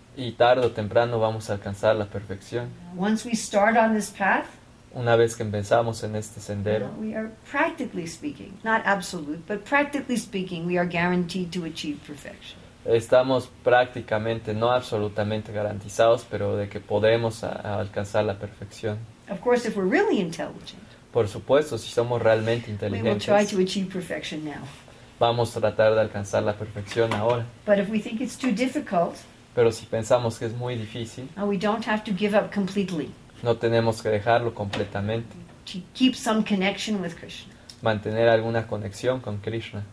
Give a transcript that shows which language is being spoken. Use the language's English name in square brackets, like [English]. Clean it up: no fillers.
[Spanish] Y tarde o temprano vamos a alcanzar la perfección. [English] Once we start on this path, [Spanish] una vez que empezamos en este sendero, [English] we are practically speaking, not absolute, but practically speaking, we are guaranteed to achieve perfection. [Spanish] Estamos prácticamente, no absolutamente garantizados, pero de que podemos alcanzar la perfección. [English] Of course, if we're really intelligent. [Spanish] Por supuesto, si somos realmente inteligentes, [English] we will try to achieve perfection now. [Spanish] Vamos a tratar de alcanzar la perfección ahora. [English] But if we think it's too difficult, [Spanish] pero si pensamos que es muy difícil, [English] we don't have to give up completely. [Spanish] No tenemos que dejarlo completamente. [English] To keep some connection with Krishna. [Spanish] Mantener alguna conexión con Krishna.